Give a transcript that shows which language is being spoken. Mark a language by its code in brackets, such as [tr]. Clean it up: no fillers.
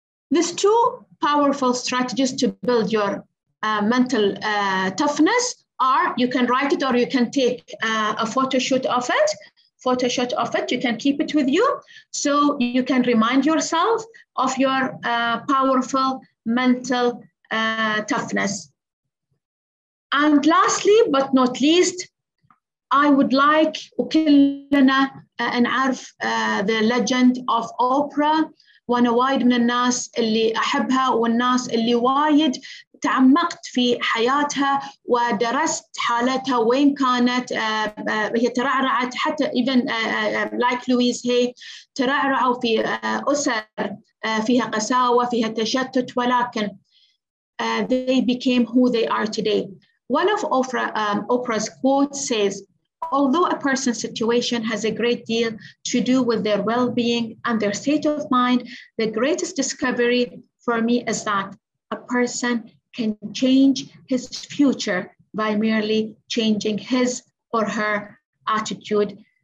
[en] These two powerful strategies to build your mental toughness are, you can write it or you can take a photo shoot of it, you can keep it with you, so you can remind yourself of your powerful mental toughness. And lastly, but not least, I would like [ar] وكلنا نعرف [en] the legend of Oprah. [ar] وأنا وايد من الناس اللي أحبها والناس اللي وايد تعمقت في حياتها ودرست حالتها وين كانت هي ترعرعت حتى [en] even like Louise Hay [ar] ترعرعوا في أسر فيها قساوة فيها تشتت ولكن [en] they became who they are today. One of Oprah's quotes says, although a person's situation has a great deal to do with their well-being and their state of mind, the greatest discovery for me is that a person can change his future by merely changing his or her attitude.